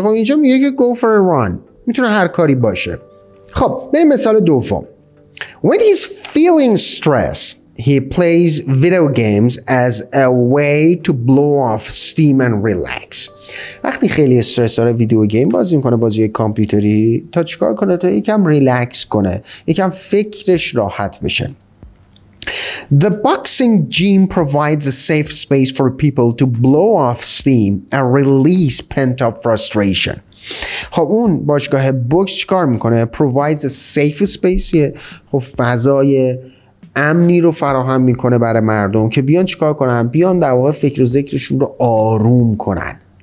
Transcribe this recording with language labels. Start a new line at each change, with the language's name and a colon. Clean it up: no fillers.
Persian: خب اینجا میگه که
English: go for a run،
Persian: میتونه هر کاری باشه. خب بریم مثال دوم.
English: When he's feeling stressed He plays video games as a way to blow off steam and relax.
Persian: وقتی خیلی استرس داره ویدیو گیم بازی میکنه، بازی کامپیوتری، تا چیکار کنه؟ تا یکم ریلکس کنه، یکم فکرش راحت بشه.
English: The boxing gym provides a safe space for people to blow off steam and release pent-up frustration.
Persian: خب اون باشگاه بوکس چیکار میکنه؟
English: Provides a safe space،
Persian: خب فضای امنی رو فراهم میکنه برای مردم که بیان چیکار کنن، بیان در واقع فکر و ذکرشون رو آروم کنن.